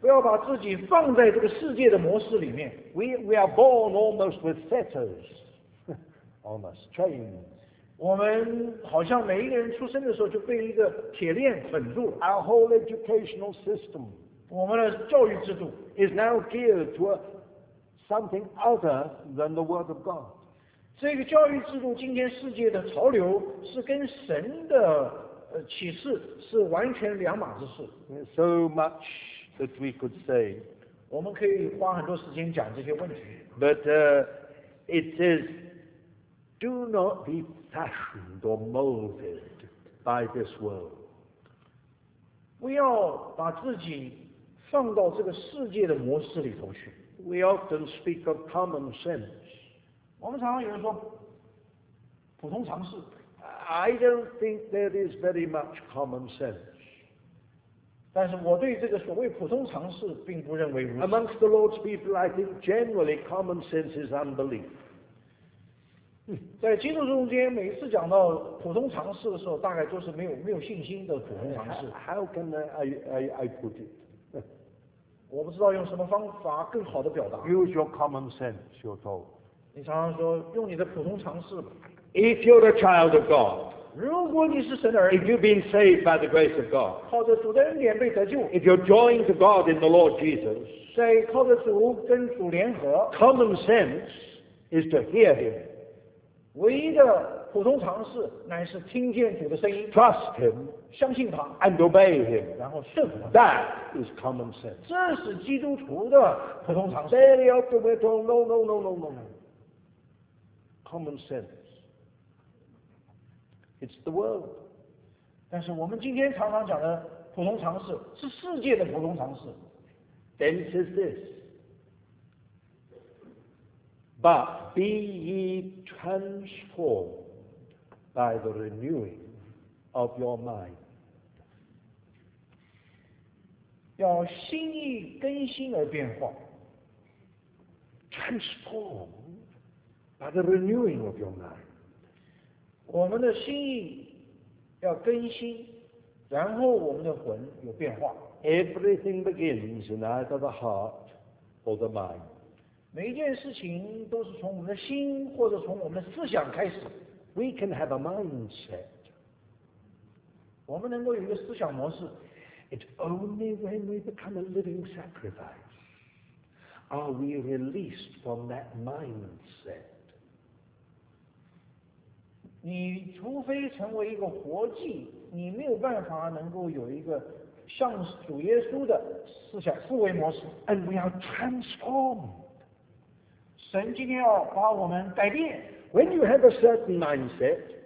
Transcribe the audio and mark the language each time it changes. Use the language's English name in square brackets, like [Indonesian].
[Chinese] 不要把自己放在这个世界的模式里面 [English] We are born almost with fetters, almost chains. [Chinese] 我们好像每一个人出生的时候就被一个铁链捆住了。 [English] Our whole educational system, [Chinese] 我们的教育制度 [English] is now geared to something other than the Word of God. [Chinese] 这个教育制度今天世界的潮流是跟神的启示是完全两码子事。 [English] So much that we could say. [Chinese] 我们可以花很多时间讲这些问题。 [English] But it says, do not be fashioned or molded by this world. [Chinese] 不要把自己放到这个世界的模式里头去。 [English] We often speak of common sense. [Chinese] 我们常常有人说普通常识。 [English] I don't think there is very much common sense. [Chinese] 但是我对这个所谓普通常识并不认为如此。 [English] Amongst the Lord's people, I think generally common sense is unbelief. [Chinese] 在基督中间，每次讲到普通常识的时候，大概都是没有信心的普通常识。 [English] How can I put it? [Chinese] 我不知道用什么方法更好的表达。 [English] Use your common sense, you're told. [Chinese] 你常常说用你的普通常识吧。 [English] If you're a child of God, [Chinese] 如果你是神的儿子, [English] if you've been saved by the grace of God, [Chinese] 靠着主的恩典被得救, [English] if you're joined to God in the Lord Jesus, [Chinese] 在靠着主跟主联合, [English] common sense is to hear him. [Chinese] 唯一的普通常识乃是听见主的声音, [English] trust him, [Chinese] 相信他, [English] and obey him, [Chinese] 然后顺服他。 [English] That is common sense. [Chinese] 这是基督徒的普通常识。 [English] Very often we're told, no, no, no, no, no, no. Common sense. It's the world. [Chinese] 但是我们今天常常讲的普通常识是世界的普通常识。 [English] Then it says this. But be ye transformed by the renewing of your mind. [Chinese] 要心意更新而变化。 [English] Transformed by the renewing of your mind. [Chinese] 我们的心意要更新，然后我们的魂有变化。 [English] Everything begins in either the heart or the mind. [Chinese] 每一件事情都是从我们的心或者从我们的思想开始。 [English] We can have a mindset. [Chinese] 我们能够有一个思想模式。 [English] It's only when we become a living sacrifice are we released from that mindset. [Chinese] 你除非成为一个活祭，你没有办法能够有一个像主耶稣的思想思维模式。 [English] And we are transformed. [Chinese] 神今天要把我们改变。 [English] When you have a certain mindset,